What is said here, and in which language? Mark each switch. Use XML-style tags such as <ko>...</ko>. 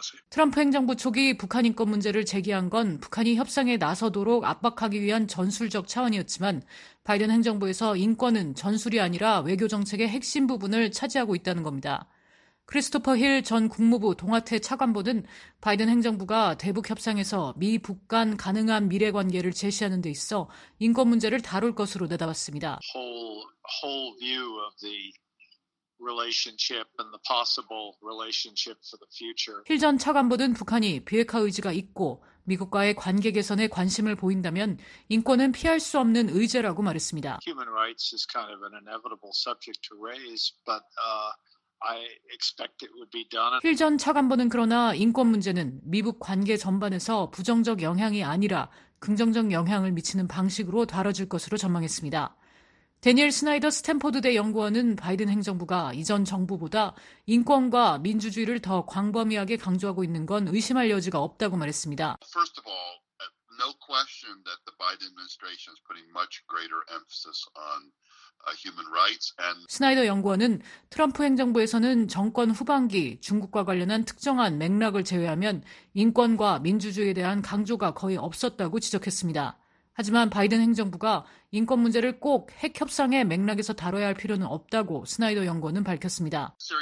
<ko>트럼프 행정부 초기 북한 인권 문제를 제기한 건 북한이 협상에 나서도록 압박하기 위한 전술적 차원이었지만 바이든 행정부에서 인권은 전술이 아니라 외교 정책의 핵심 부분을 차지하고 있다는 겁니다. 크리스토퍼 힐 전 국무부 동아태 차관보는 바이든 행정부가 대북 협상에서 미북 간 가능한 미래 관계를 제시하는 데 있어 인권 문제를 다룰 것으로 내다봤습니다.</ko> <en>Whole view of the relationship and the possible relationship for the future.</en> <ko>힐 전 차관보는 북한이 비핵화 의지가 있고 미국과의 관계 개선에 관심을 보인다면 인권은 피할 수 없는 의제라고 말했습니다.</ko> <en>Human rights is kind of an inevitable subject to raise, but I expect it would be done.</en> <ko>힐 전 차관보는 그러나 인권 문제는 미북 관계 전반에서 부정적 영향이 아니라 긍정적 영향을 미치는 방식으로 다뤄질 것으로 전망했습니다. 대니엘 스나이더 스탠퍼드대 연구원은 바이든 행정부가 이전 정부보다 인권과 민주주의를 더 광범위하게 강조하고 있는 건 의심할 여지가 없다고 말했습니다.</ko> <en>First of all, no question that the Biden administration is putting much greater emphasis on human rights and</en> <ko>스나이더 연구원은 트럼프 행정부에서는 정권 후반기 중국과 관련한 특정한 맥락을 제외하면 인권과 민주주의에 대한 강조가 거의 없었다고 지적했습니다. 하지만 바이든 행정부가 인권 문제를 꼭 핵 협상의 맥락에서 다뤄야 할 필요는 없다고 스나이더 연구원은 밝혔습니다.</ko>